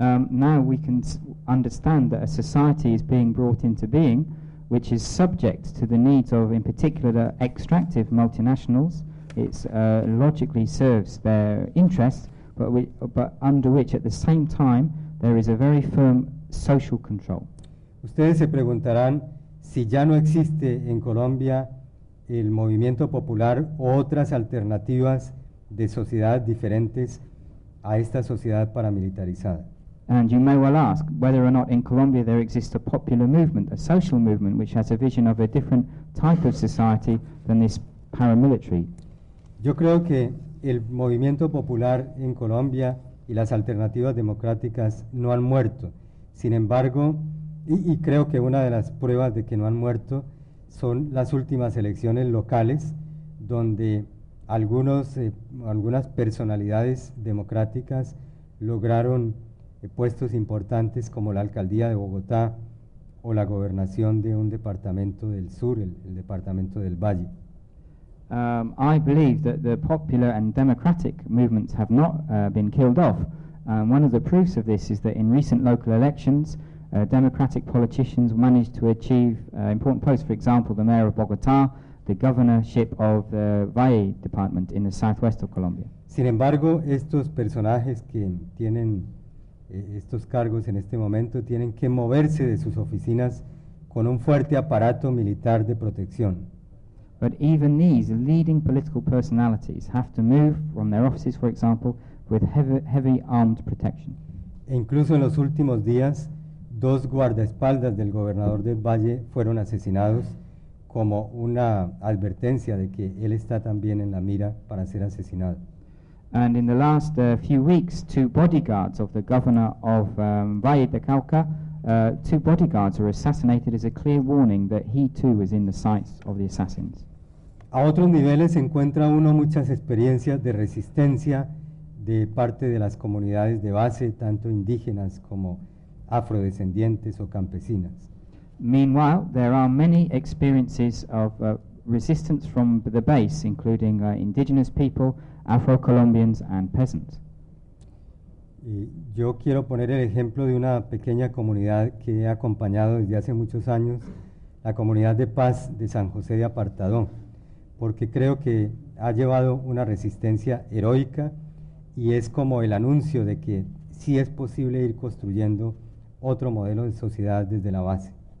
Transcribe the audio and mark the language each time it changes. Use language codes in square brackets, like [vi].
[en] Now we can understand that a society is being brought into being which is subject to the needs of, in particular, the extractive multinationals. It logically serves their interests, but under which at the same time there is a very firm social control. [es] Ustedes se preguntarán si ya no existe en Colombia el movimiento popular u otras alternativas de sociedades diferentes a esta sociedad paramilitarizada. [en] And you may well ask whether or not in Colombia there exists a popular movement, a social movement, which has a vision of a different type of society than this paramilitary. [es] Yo creo que el movimiento popular en Colombia y las alternativas democráticas no han muerto. Sin embargo, y creo que una de las pruebas de que no han muerto son las últimas elecciones locales donde algunas personalidades democráticas lograron puestos importantes como la alcaldía de Bogotá o la gobernación de un departamento del sur, el departamento del Valle. [en] I believe that the popular and democratic movements have not been killed off. One of the proofs of this is that in recent local elections democratic politicians managed to achieve important posts, for example, the mayor of Bogotá, the governorship of the Valle department in the southwest of Colombia. [es] Sin embargo, estos personajes que tienen estos cargos en este momento tienen que moverse de sus oficinas con un fuerte aparato militar de protección. [en] But even these leading political personalities have to move from their offices, for example, with heavy armed protection. [es] E incluso en los últimos días, dos guardaespaldas del gobernador del Valle fueron asesinados como una advertencia de que él está también en la mira para ser asesinado. [en] And in the last few weeks, two bodyguards of the governor of Valle de Cauca, two bodyguards were assassinated as a clear warning that he too was in the sights of the assassins. [es] A otros niveles se encuentra uno muchas experiencias de resistencia de parte de las comunidades de base, tanto indígenas como afrodescendientes o campesinas. [en] Meanwhile, there are many experiences of resistance from the base, including indigenous people, Afro-Colombians and peasants. [es] Y yo quiero poner el ejemplo de una pequeña comunidad que he acompañado desde hace muchos años, la comunidad de paz de San José de Apartadón, porque creo que ha llevado una resistencia heroica y es como el anuncio de que sí es posible ir construyendo otro modelo de sociedad desde la base.